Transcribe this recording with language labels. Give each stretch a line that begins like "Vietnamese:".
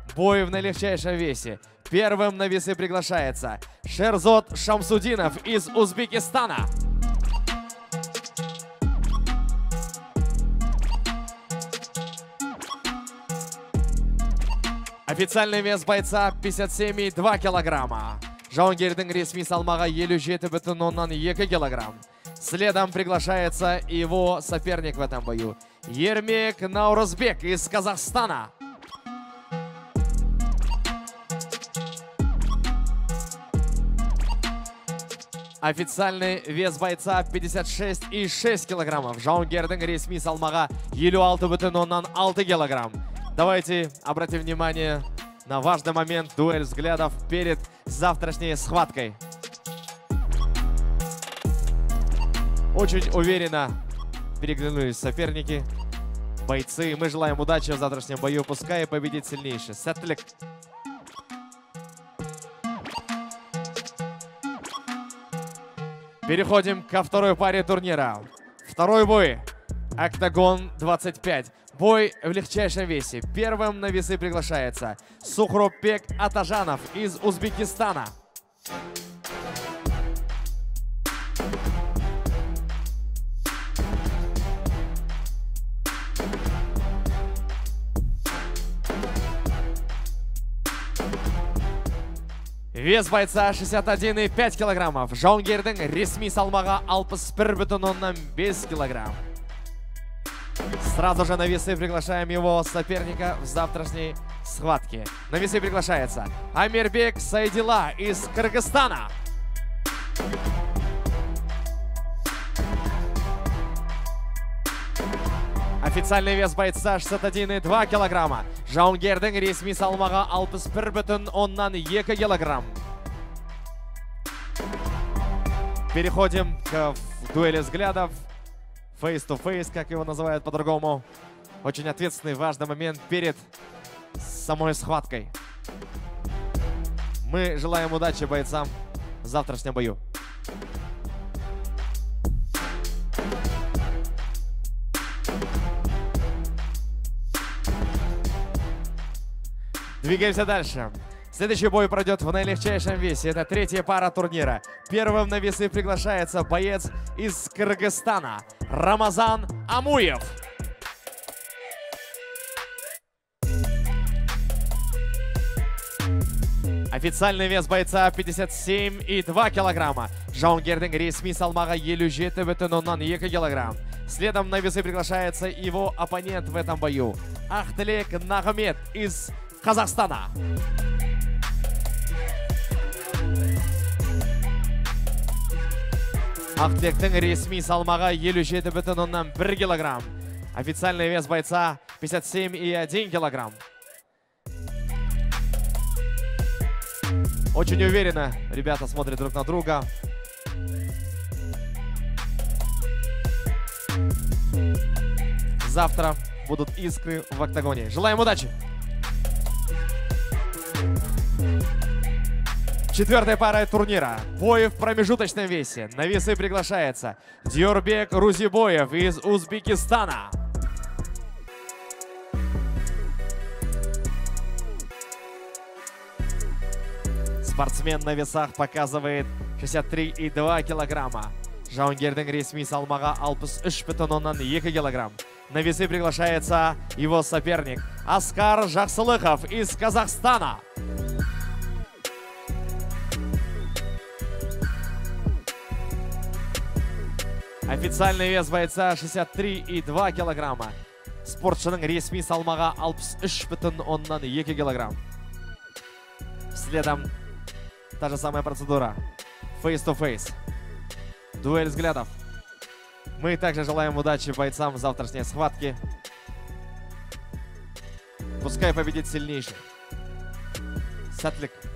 Russian: Бой в налегчайшем весе. Первым на весы приглашается Шерзод Шамсудинов из Узбекистана. Официальный вес бойца 57,2 килограмма.
Kazakh: Жаунгердің ресми салмағы 57,2 килограмм.
Russian: Следом приглашается его соперник в этом бою. Ермек Наурызбек из Казахстана. Официальный вес бойца 56,6 килограммов.
Kazakh: Жаунгердің ресми салмағы 56,6 килограмм.
Russian: Давайте обратим внимание на важный момент, дуэль взглядов перед завтрашней схваткой. Очень уверенно переглянулись соперники, бойцы. Мы желаем удачи в завтрашнем бою, пускай победит сильнейший.
Kazakh: Сәттілік!
Russian: Переходим ко второй паре турнира. Второй бой. Октагон 25. Бой в легчайшем весе. Первым на весы приглашается Сухропбек Атажанов из Узбекистана. Вес бойца 61,5 килограммов.
Kazakh: Жаунгердің ресми салмағы 61,5 килограмм.
Russian: Сразу же на весы приглашаем его соперника в завтрашней схватке. На весы приглашается Амирбек Сайдила из Кыргызстана. Официальный вес бойца 61,2 килограмма.
Kazakh: Жаунгердің ресми салмағы 61,2 килограмм.
Russian: Переходим к дуэли взглядов.
English: Face to face,
Russian: как его называют по-другому. Очень ответственный, важный момент перед самой схваткой. Мы желаем удачи бойцам в завтрашнем бою. Двигаемся дальше. Следующий бой пройдет в наилегчайшем весе. Это третья пара турнира. Первым на весы приглашается боец из Кыргызстана Рамазан Амуев. Официальный вес бойца 57,2 килограмма.
Kazakh: Жаунгердің ресми салмағы 57,2 килограмм.
Russian: Следом на весы приглашается его оппонент в этом бою Ахтылек Нагымет из Казахстана.
Kazakh: Ахтектің ресми салмағы 57,1 килограмм.
Russian: Официальный вес бойца 57,1 килограмм. Очень уверенно ребята смотрят друг на друга. Завтра будут искры в октагоне. Желаем удачи! Четвертая пара турнира. Бой в промежуточном весе. На весы приглашается Дьорбек Рузибоев из Узбекистана. Спортсмен на весах показывает 63,2 килограмма.
Kazakh: Жаунгердің ресми салмағы 63,2 килограмм.
Russian: На весы приглашается его соперник Аскар Жақсылықов из Казахстана. Официальный вес бойца 63,2 килограмма.
Kazakh: Спортшының ресми салмағы 63,2 килограмм.
Russian: Следом та же самая процедура.
English: Face to face.
Russian: Дуэль взглядов. Мы также желаем удачи бойцам в завтрашней схватке. Пускай победит сильнейший.
Kazakh: Сатлик.